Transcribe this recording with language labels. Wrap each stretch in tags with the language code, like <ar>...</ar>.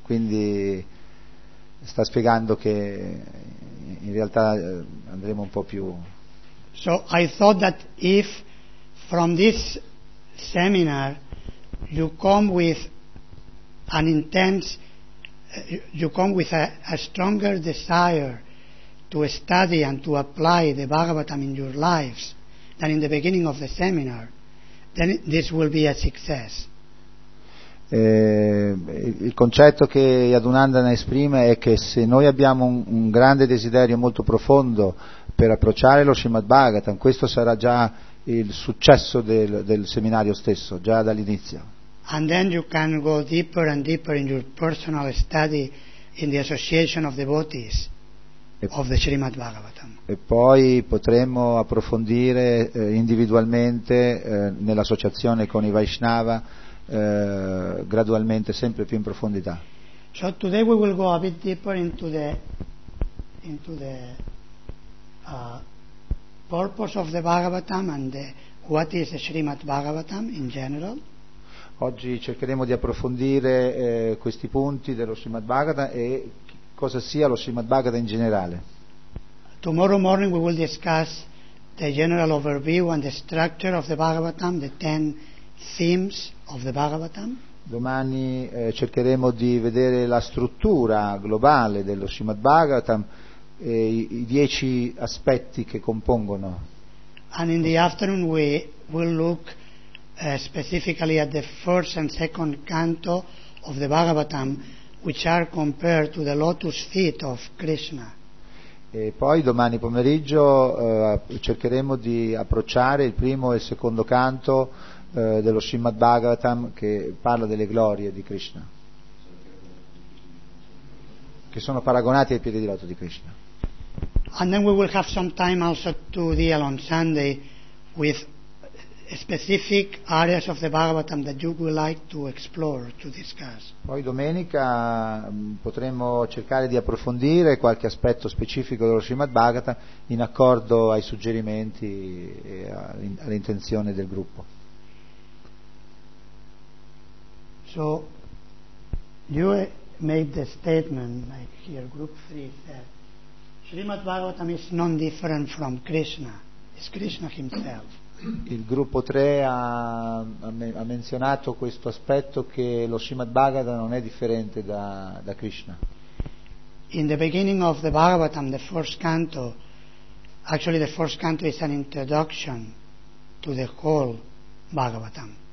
<it>Quindi sta spiegando che in realtà andremo un po' più.</it> <en>So I thought that if from this seminar you come with an intense, you come with a stronger desire to study and to apply the Bhagavatam in your lives than in the beginning of the seminar, then this will be a success.</en> <it>Il concetto che Yadunandana esprime è che se noi abbiamo un grande desiderio molto profondo per approcciare lo Srimad Bhagavatam, questo sarà già il successo del seminario stesso, già dall'inizio.</it> <en>And then you can go deeper and deeper in your personal study in the association of devotees of the Srimad Bhagavatam.</en> <it>E poi potremmo approfondire individualmente nell'associazione con i Vaishnava gradualmente sempre più in profondità.</it> <en>So today we will go a bit deeper into the purpose of the Bhagavatam and what is the Srimad Bhagavatam in general.</en> <it>Oggi cercheremo di approfondire questi punti dello Srimad Bhagavatam e cosa sia lo Srimad Bhagavatam in generale.</it> <en>Tomorrow morning we will discuss the general overview and the structure of the Bhagavatam, the 10 themes of the Bhagavatam.</en> <it>Domani cercheremo di vedere la struttura globale dello Srimad Bhagavatam e i 10 aspetti che compongono.</it> <en>And in the afternoon we will look specifically at the first and second canto of the Bhagavatam, which are compared to the lotus feet of Krishna.</en> <it>E poi domani pomeriggio cercheremo di approcciare il primo e il secondo canto dello Srimad Bhagavatam, che parla delle glorie di Krishna, che sono paragonati ai piedi di loto di Krishna.</it> <en>And then we will have some time also to deal on Sunday with specific areas of the Bhagavatam that you would like to explore, to discuss.</en> <it>Poi domenica potremo cercare di approfondire qualche aspetto specifico dello Srimad Bhagavatam in accordo ai suggerimenti e all'intenzione del gruppo.</it> <en>So you made the statement like here, group 3 said Srimad Bhagavatam is non different from Krishna, it's Krishna himself.</en> <it>Il gruppo 3 ha menzionato questo aspetto, che lo Srimad Bhagavatam non è differente da Krishna.</it> <en>In the beginning of the Bhagavatam, the first canto, actually the first canto is an introduction to the whole Bhagavatam.</en>